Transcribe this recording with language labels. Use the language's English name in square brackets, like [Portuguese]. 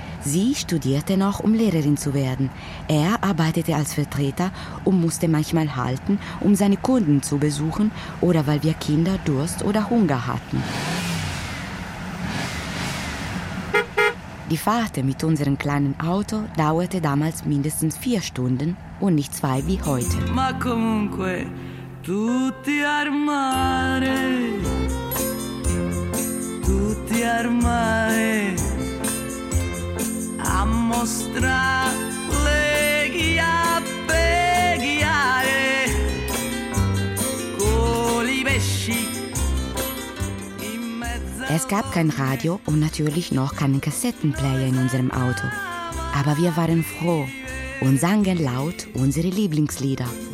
[German] Sie studierte noch, um Lehrerin zu werden. Er arbeitete als Vertreter und musste manchmal halten, um seine Kunden zu besuchen oder weil wir Kinder Durst oder Hunger hatten. Die Fahrt mit unserem kleinen Auto dauerte damals mindestens 4 Stunden und nicht 2 wie heute. [Italian] Ma comunque, tutti al mare. Tutti al mare a mostrare le ghiappe ghiare con i pesci in mezzo. [German] Es gab kein Radio und natürlich noch keinen Kassettenplayer in unserem Auto. Aber wir waren froh und sangen laut unsere Lieblingslieder.